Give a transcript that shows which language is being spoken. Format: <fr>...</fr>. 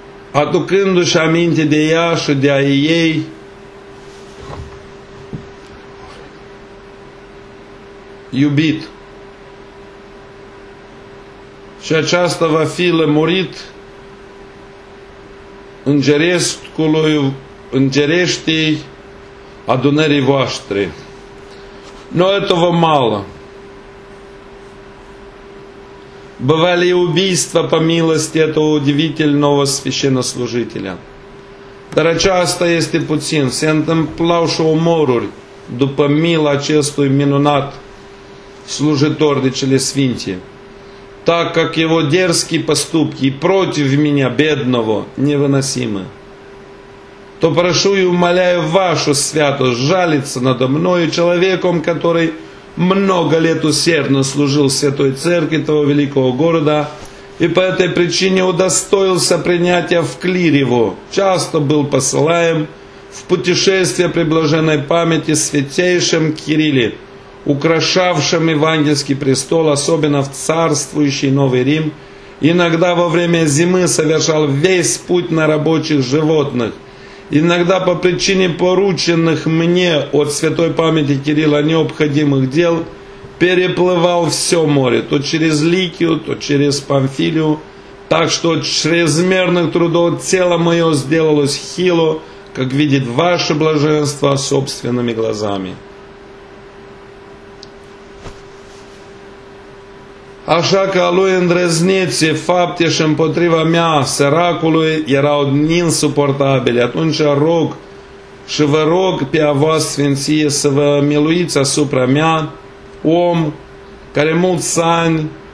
<ro>Aducându-și aminte de ea și de a ei, iubit. Și aceasta va fi lămurit îngerescului, îngereștii adunării voastre.</ro> <ru>Но этого мало. Бывали убийства по милости этого удивительного священнослужителя.</ru> <ro>Dar aceasta este puțin. Se întâmplau și omoruri după mila acestui minunat slujitor de cele sfinte.</ro> <ru>Так как его дерзкие поступки против меня, бедного, невыносимы, то прошу и умоляю вашу святость жалиться надо мною человеком, который много лет усердно служил Святой Церкви того великого города и по этой причине удостоился принятия в клириву. Часто был посылаем в путешествие при блаженной памяти святейшем Кирилле, украшавшем евангельский престол, особенно в царствующий Новый Рим. Иногда во время зимы совершал весь путь на рабочих животных. Иногда по причине порученных мне от святой памяти Кирилла необходимых дел переплывал все море, то через Ликию, то через Памфилию, так что от чрезмерных трудов тело мое сделалось хило, как видит ваше блаженство собственными глазами.</ru> <ro>Așa că a lui îndrăzneții fapte și împotriva mea săracului erau insuportabile. Atunci rog și vă rog pe a voastră sfinție să vă miluiți asupra mea, om care mulți ani</ro>